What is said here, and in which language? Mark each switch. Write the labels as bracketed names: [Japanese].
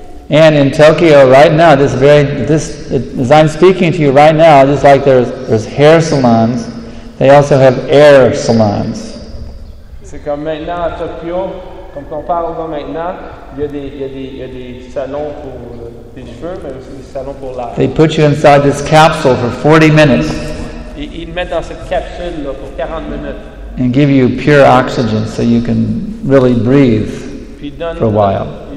[English] And in Tokyo right now, as I'm speaking to you right now, just like there's hair salons, they also have air salons. [French] C'est comme maintenant à Tokyo, comme on parle là maintenant, il y a des salons pour les cheveux, mais aussi des salons pour l'air. [English] They put you inside this capsule for 40 minutes. [French] Ils mettent dans cette capsule là pour 40 minutes. [English] And give you pure oxygen so you can really breathe for a while.